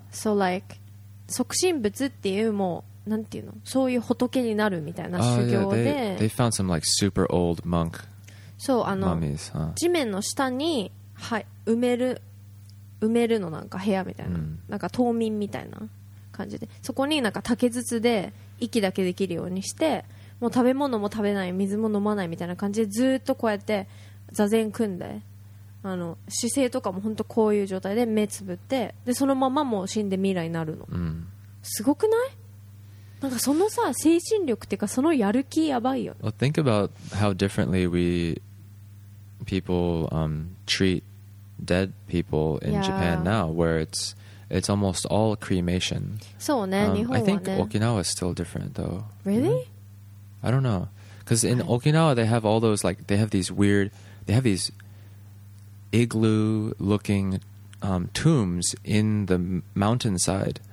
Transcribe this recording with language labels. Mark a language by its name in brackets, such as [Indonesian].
[English] So like [Japanese] 即身仏っていう、もうなんていうの、そういう仏になるみたいな修行で、 [English] they found some like super old monk mummies, huh? [Japanese] 地面の下に、はい、埋めるのなんか部屋みたいな、なんか冬眠みたいな感じで、そこになんか竹筒で息だけできるようにして、もう食べ物も食べない、水も飲まないみたいな感じでずっとこうやって座禅組んで、あの姿勢とかも本当こういう状態で目つぶって、でそのままもう死んでミイラになるの、すごくない？なんかそのさ精神力っていうかそのやる気やばいよ。 [English] Well, think about how differently we people treat dead people in Japan now, where it's almost all cremation. [Japanese] そうね、日本はね。 [English] I think Okinawa is still different though. Really? I don't know. Because in Okinawa they have all those like they have these igloo looking tombs in the mountainside.